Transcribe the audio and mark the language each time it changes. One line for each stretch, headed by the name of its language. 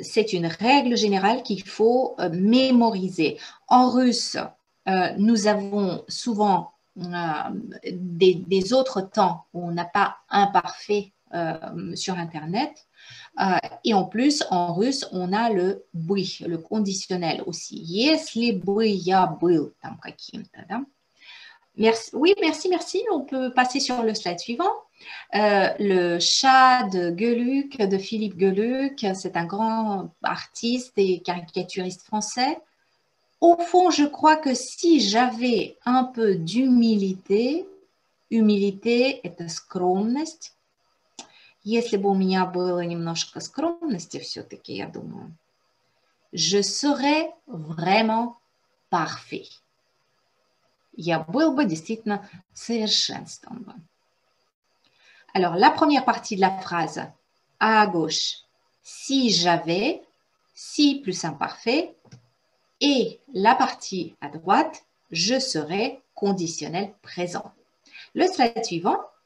French: C'est une règle générale qu'il faut mémoriser. En russe, nous avons souvent des autres temps où on n'a pas imparfait sur Internet. Et en plus, en russe, on a le «бы», le conditionnel aussi.
Russian: «Если бы я был там каким-то». Да?
French: Merci. Oui, merci, merci. On peut passer sur le slide suivant. Le chat de Gueluc, de Philippe Gueluc, c'est un grand artiste et caricaturiste français. Au fond, je crois que si j'avais un peu d'humilité, humilité est «скромность».
Russian: Если бы у меня было немножко скромности, все-таки, я думаю,
French: je serais vraiment parfait.
Russian: Я был бы действительно совершенством.
French: Alors, la première partie de la phrase, à gauche, si j'avais, si plus imparfait, et la partie à droite, je serais conditionnel présent. Le slide suivant.